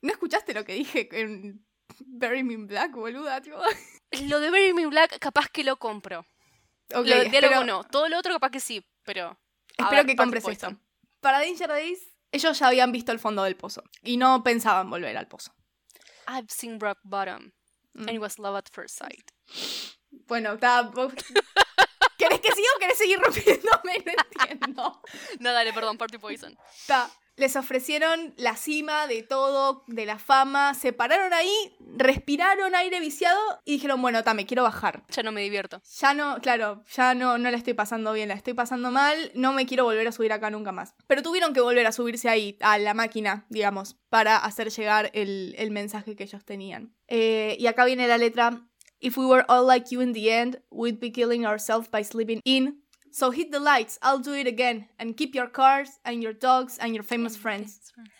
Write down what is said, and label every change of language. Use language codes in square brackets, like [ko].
[es] ¿No escuchaste lo que dije en Bury Me in Black, boluda? Tío? Lo de Bury Me in Black capaz que lo compro. Okay, lo de diálogo no. Todo lo otro capaz que sí, pero... Espero que compres esto. Para Danger Days, ellos ya habían visto el fondo del pozo y no pensaban volver al pozo. [en] "I've seen rock bottom and it was love at first sight. [es] Bueno, está... ¿Querés que siga o querés seguir rompiéndome? No entiendo. No, dale, perdón, Party Poison. Está. Les ofrecieron la cima de todo, de la fama. Se pararon ahí, respiraron aire viciado y dijeron, bueno, ta, me quiero bajar. Ya no me divierto. Ya no, claro, ya no, no la estoy pasando bien, la estoy pasando mal. No me quiero volver a subir acá nunca más. Pero tuvieron que volver a subirse ahí, a la máquina, digamos, para hacer llegar el mensaje que ellos tenían. Y acá viene la letra. [en] If we were all like you in the end, we'd be killing ourselves by sleeping in. So hit the lights, I'll do it again, and keep your cars and your dogs and your famous friends.